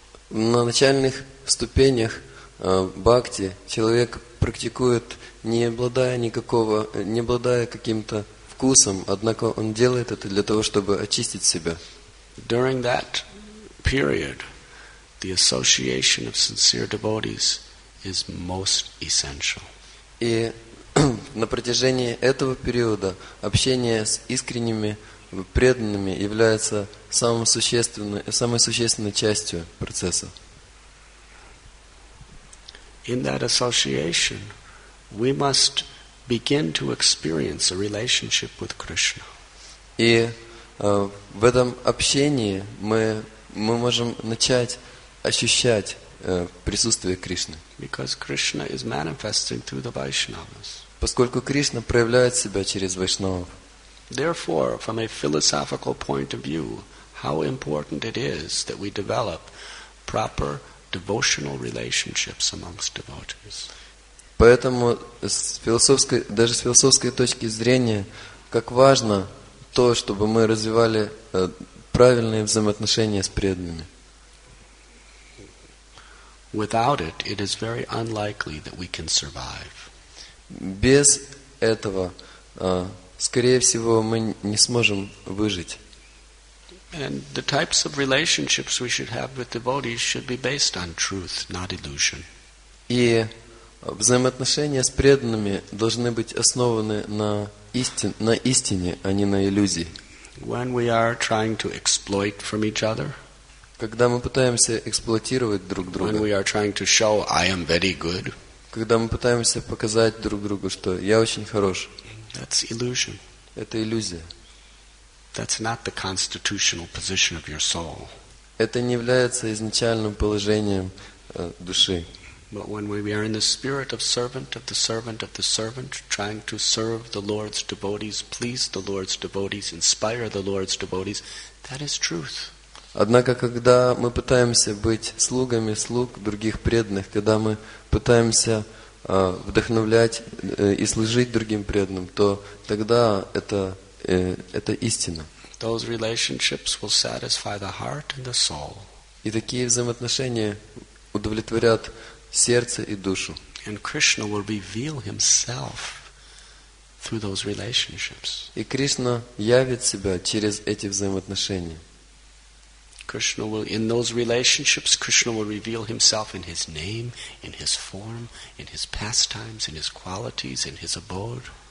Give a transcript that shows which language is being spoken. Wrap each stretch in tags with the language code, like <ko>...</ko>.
<ru>На начальных ступенях бхакти человек практикует, не обладая каким-то вкусом, однако он делает это для того, чтобы очистить себя.</ru> <en>During that period, the association of sincere devotees is most essential.</en> <ru>И на протяжении этого периода общение с искренними преданными является самой существенной частью процесса.</ru> <en>In that association, we must begin to experience a relationship with Krishna.</en> <ru>И в этом общении мы можем начать ощущать присутствие Кришны.</ru> <en>Because Krishna is manifesting through the Vaishnavas.</en> <ru>Поскольку Кришна проявляет себя через вайшнавов.</ru> <en>Therefore, from a philosophical point of view, how important it is that we develop proper devotional relationships amongst devotees.</en> <ru>Поэтому с философской точки зрения, как важно то, чтобы мы развивали правильные взаимоотношения с преданными.</ru> <en>Without it, it is very unlikely that we can survive.</en> <ru>Без этого, скорее всего, мы не сможем выжить.</ru> <en>And the types of relationships we should have with devotees should be based on truth, not illusion.</en> <ru>И взаимоотношения с преданными должны быть основаны на истине, а не на иллюзии.</ru> <en>When we are trying to exploit from each other,</en> <ru>когда мы пытаемся эксплуатировать друг друга,</ru> <en>when we are trying to show I am very good,</en> <ru>когда мы пытаемся показать друг другу, что я очень хорош,</ru> <en>that's illusion.</en> <ru>Это иллюзия.</ru> <en>That's not the constitutional position of your soul.</en> <ru>Это не является изначальным положением души.</ru> <en>But when we are in the spirit of servant, of the servant, of the servant, trying to serve the Lord's devotees, please the Lord's devotees, inspire the Lord's devotees, that is truth.</en> <ru>Однако, когда мы пытаемся быть слугами слуг других преданных, когда мы пытаемся вдохновлять и служить другим преданным, то тогда это истина.</ru> <en>Those relationships will satisfy the heart and the soul.</en> <ru>И такие взаимоотношения удовлетворят сердце и душу.</ru> <en>And Krishna will reveal himself through those relationships.</en> <ru>И Кришна явит себя через эти взаимоотношения.</ru> <en>Krishna will in those relationships Krishna will reveal himself in his name, in his form, in his pastimes, in his qualities, in his abode.</en>